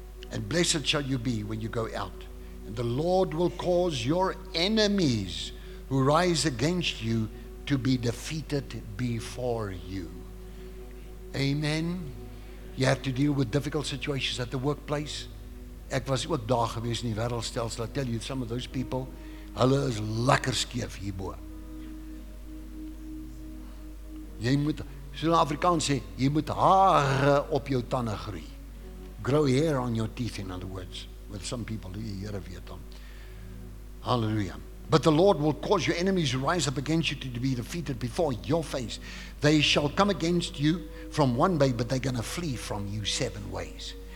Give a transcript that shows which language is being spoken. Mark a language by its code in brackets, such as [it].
[en] And blessed shall you be when you go out. And the Lord will cause your enemies who rise against you to be defeated before you. Amen. You have to deal with difficult situations at the workplace. [af] Ek was ook daar gewees in die wêreldstelsel. [en] I tell you, some of those people, [af] hulle is lekker skeef hierbo. Jy moet, so in Afrikaans sê, jy moet hare op jou tande groei. [en] Grow hair on your teeth, in other words. With some people, the Here of Yetam. Hallelujah. But the Lord will cause your enemies to rise up against you to be defeated before your face. They shall come against you from one way, but they're going to flee from you seven ways.